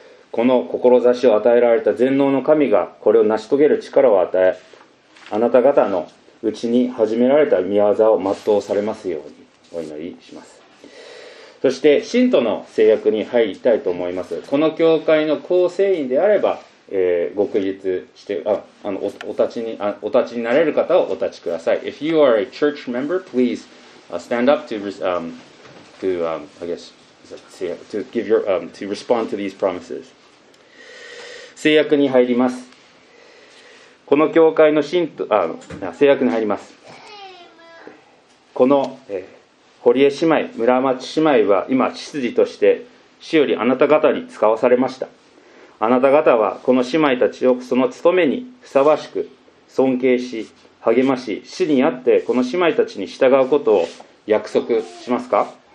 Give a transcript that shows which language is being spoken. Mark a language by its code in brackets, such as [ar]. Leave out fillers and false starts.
[ja] この志を与えられた全能の神がこれを成し遂げる力を与え、あなた方のうちに始められた御業を全うされますようにお祈りします。そして信徒の制約に入りたいと思います。この教会の構成員であれば、ご起立して、お立ちになれる方をお立ちください。 [en] If you are a church member, please stand up to respond to these promises. [ja] 制約に入ります。この教会の信徒、制約に入ります。この、堀江姉妹、村町姉妹は今執事として主よりあなた方に使わされました。あなた方はこの姉妹たちをその務めにふさわしく尊敬し励まし、主にあってこの姉妹たちに従うことを約束しますか？